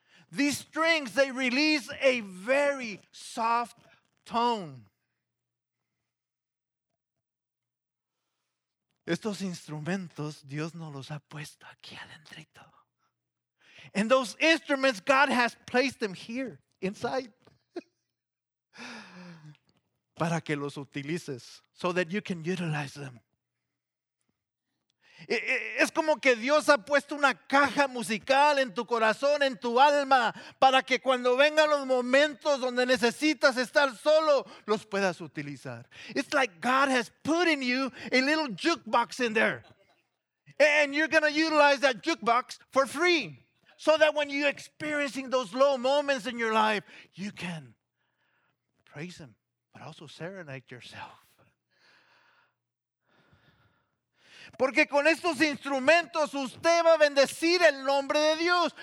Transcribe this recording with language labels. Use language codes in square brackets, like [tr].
[en] These strings, they release a very soft tone. [es] Estos instrumentos, Dios nos los ha puesto aquí adentrito. [en] And those instruments, God has placed them here. Inside. [es] Para que los utilices. [en] So that you can utilize them. [es] Es como que Dios ha puesto una caja musical en tu corazón, en tu alma. Para que cuando vengan los momentos donde necesitas estar solo, los puedas utilizar. [en] It's like God has put in you a little jukebox in there. And you're going to utilize that jukebox for free. So that when you're experiencing those low moments in your life, you can praise Him, but also serenade yourself. [es] Porque con estos instrumentos usted va a bendecir el nombre de Dios.